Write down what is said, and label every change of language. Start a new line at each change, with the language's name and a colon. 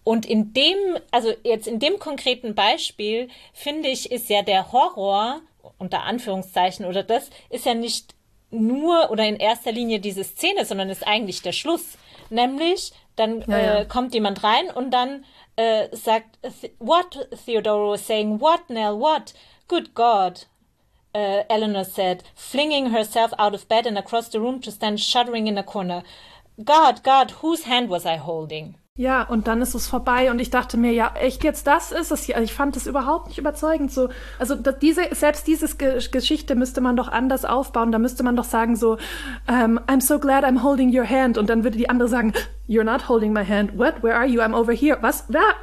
German: Und in dem, also jetzt in dem konkreten Beispiel, finde ich, ist ja der Horror, unter Anführungszeichen oder das, ist ja nicht nur oder in erster Linie diese Szene, sondern ist eigentlich der Schluss. Nämlich, dann kommt jemand rein und dann sagt,
English: what Theodora was saying, what Nell, what? Good God, Eleanor said, flinging herself out of bed and across the room to stand shuddering in a corner. God, God, whose hand was I holding?
German: Ja, und dann ist es vorbei und ich dachte mir, ja, echt jetzt, das ist es. Ich fand das überhaupt nicht überzeugend. So, also diese Geschichte müsste man doch anders aufbauen. Da müsste man doch sagen so,
English: I'm so glad I'm holding your hand.
German: Und dann würde die andere sagen,
English: you're not holding my hand. What? Where are you? I'm over here.
German: Was? Wer?